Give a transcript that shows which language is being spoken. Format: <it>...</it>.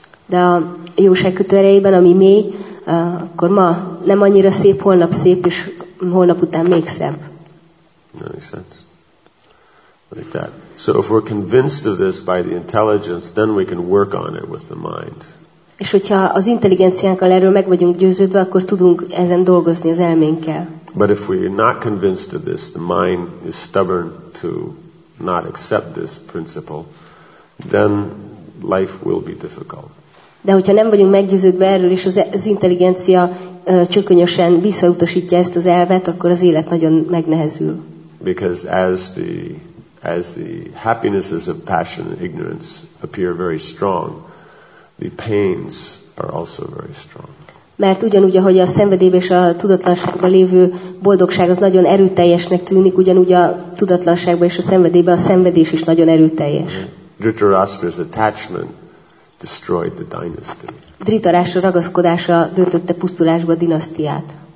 <hu>De a jóság kötőerejében, ami mély, akkor ma nem annyira szép, holnap szép, és holnap után még szebb.</hu> <en>That makes sense. Like that. So if we're convinced of this by the intelligence, then we can work on it with the mind.</en> <hu>És hogyha az intelligenciánkkal erről meg vagyunk győződve, akkor tudunk ezen dolgozni az elménkkel.</hu> <en>But if we're not convinced of this, the mind is stubborn to not accept this principle, then life will be difficult.</en> <hu>De hogyha nem vagyunk meggyőződve erről, és az intelligencia csökönyösen visszautasítja ezt az elvet, akkor az élet nagyon megnehezül.</hu> <en>Because as the happinesses of passion and ignorance appear very strong, the pains are also very strong.</en> <hu>Mert ugyanúgy, ahogy a szenvedélyben és a tudatlanságban lévő boldogság az nagyon erőteljesnek tűnik, ugyanúgy a tudatlanságban és a szenvedélyben a szenvedés is nagyon erőteljes.</hu> <en>Dhritarashtra's attachment destroyed the dynasty.</en> <hu>Dhritarashtra ragaszkodása döntötte pusztulásba a dinasztiát.</hu>